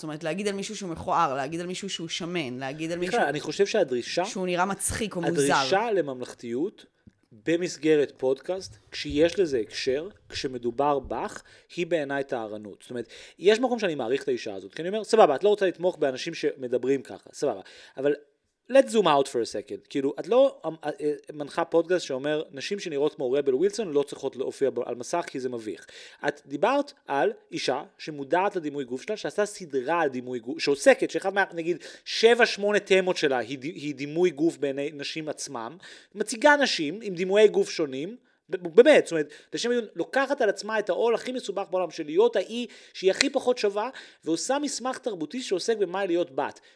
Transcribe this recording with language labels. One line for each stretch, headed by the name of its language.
Hebrew: זאת אומרת, להגיד על מישהו שהוא מכוער, להגיד על מישהו שהוא שמן, להגיד על מישהו אני חושב שהדרישה שהוא נראה מצחיק או מוזר. הדרישה לממלכתיות במסגרת פודקאסט, כשיש לזה הקשר, כשמדובר בך, היא בעיניי טהרנות. זאת אומרת, יש מקום שאני מעריך את האישה הזאת, כי אני אומר, סבבה, את לא רוצה לתמוך באנשים שמדברים ככה, סבבה. אבל
English: let's zoom out for a second.
Hebrew: כאילו, את לא מנחה פודקאסט שאומר, נשים שנראות כמו רבל ווילסון לא צריכות להופיע על מסך כי זה מביך. את דיברת על אישה שמודעת לדימוי גוף שלה, שעשה סדרה על דימוי גוף, שעוסקת, שאחד מה, נגיד, 7-8 תמות שלה היא דימוי גוף בעיני נשים עצמם, מציגה נשים עם דימויי גוף שונים, באמת, זאת אומרת, לשם עיון, לוקחת על עצמה את העול הכי מסובך בעולם של להיות האי שהיא הכי פחות שווה, ועושה מסמך תרבותי שעוסק במה להיות בת.